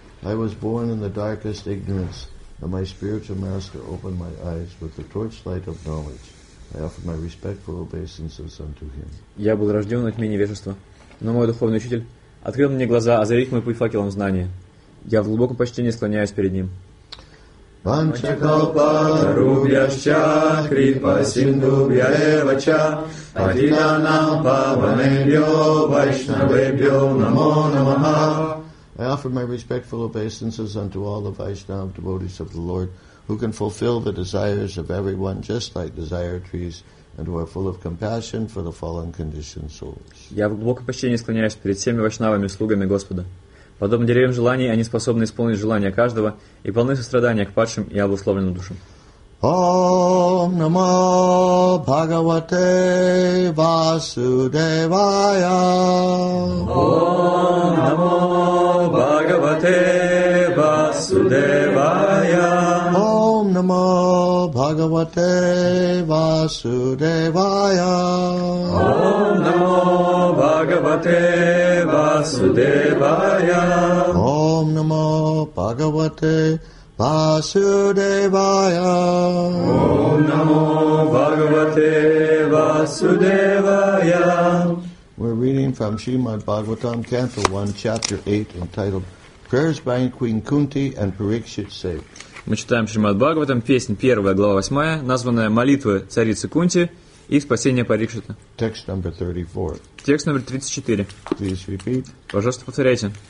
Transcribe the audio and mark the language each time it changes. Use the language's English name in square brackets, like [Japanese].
[English] I was born in the darkest ignorance, and my spiritual master opened my eyes with the torchlight of knowledge. I offer my respectful obeisances unto him. [Russian] Я был рожден от невежества, но мой духовный учитель открыл мне глаза, озарив мой путь факелом знания. Я в глубоком почтении склоняюсь перед ним. [Sanskrit] Панчакалпа рубьяща, крипа синдубья эвача, Адинанам паванебьо, вайшнавебьо, намо намаха. [English] I offer my respectful obeisances unto all the Vaishnava devotees of the Lord, who can fulfill the desires of everyone just like desire trees, and who are full of compassion for the fallen conditioned souls. [Russian] Я в глубоком почтении склоняюсь перед всеми вайшнавами, слугами Господа. Подобно деревьям желаний, они способны исполнить желания каждого и полны сострадания к падшим и обусловленным душам. [Sanskrit] Ом намо Бхагавате Васудевая. Ом намо Бхагавате Васудевая. Ом намо Бхагавате Васудевая. Ом намо Бхагавате Васудевая. Ом намо Бхагавате Vasudevaya. Om Namo Bhagavate Vasudevaya. [English] We're reading from Srimad Bhagavatam, Canto 1, Chapter 8, entitled Prayers by Queen Kunti and Parikshit Say. [Russian] Мы читаем Шримад Бхагаватам, песнь 1, глава 8, названная «Молитвы царицы Кунти и спасение Парикшита». [English] Text number 34. [Russian] Текст номер 34. [English] Please repeat. [Russian] Пожалуйста, повторяйте.